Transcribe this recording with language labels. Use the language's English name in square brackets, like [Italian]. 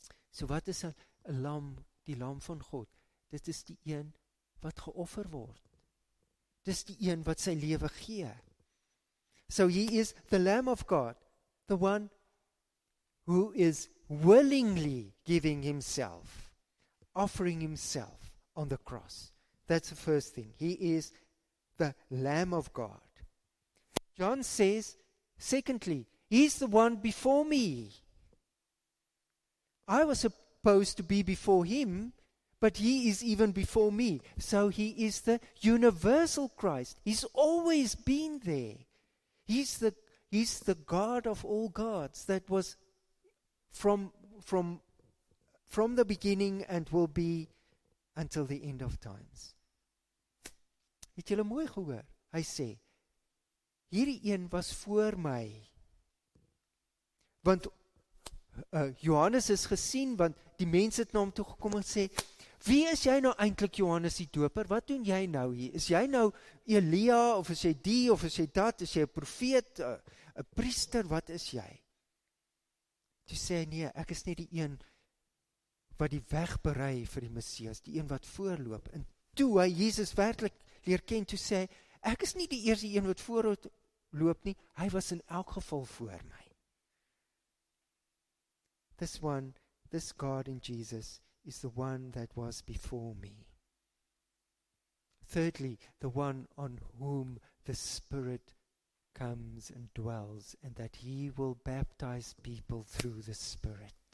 [Afrikaans] So wat is een lam, die Lam van God? Dit is die een wat geoffer word. Dit is die een wat sy lewe gee. [English] So he is the Lamb of God, the one who is willingly giving himself, offering himself on the cross. That's the first thing. He is the Lamb of God. John says, secondly, he's the one before me. I was supposed to be before him, but he is even before me. So he is the universal Christ. He's always been there. He's the God of all gods that was from the beginning and will be until the end of times. [Afrikaans] Het julle mooi gehoor? Hy sê, hierdie een was voor my. Want Johannes is gesien, want die mense het na hom toe gekom en sê, wie is jy nou eintlik Johannes die Doper? Wat doen jy nou hier? Is jy nou Elia, of is jy die, of is jy dat? Is jy een profeet, een priester? Wat is jy? Toe sê, nee, ek is nie die een wat die weg berei vir die Messias, die een wat voorloop. En toe hy Jesus werklik leer ken, toe sê, ek is nie die eerste een wat voorloop nie, hy was in elk geval voor my. [English] This one, this God in Jesus, is the one that was before me. Thirdly, the one on whom the Spirit comes and dwells, and that he will baptize people through the Spirit.